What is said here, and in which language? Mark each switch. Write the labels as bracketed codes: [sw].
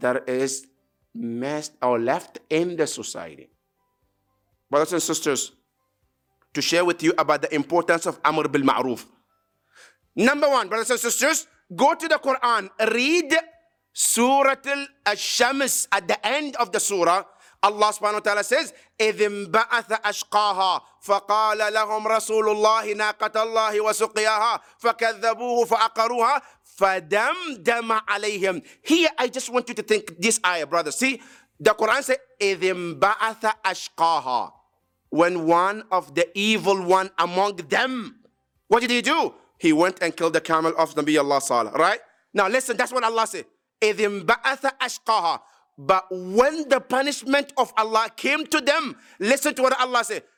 [en] That is messed or left in the society. Brothers and sisters, to share with you about the importance of أمر بالمعروف. Number one, brothers and sisters, go to the Quran. Read Surah Al-Shams at the end of the surah. Allah subhanahu wa ta'ala says, [ar] إذ انبعث أشقاها فقال لهم رسول الله ناقة الله وسقياها فكذبوه فأقروها فدمدم عليهم. [en] Here I just want you to think this ayah, brother. See, the Quran says, [ar] إذ انبعث أشقاها. [en] When one of the evil one among them, what did he do? He went and killed the camel of Nabi Allah Salah, right? Now listen, that's what Allah said. [ar] إذ انبعث أشقاها. [en] But when the punishment of Allah came to them, listen to what Allah said.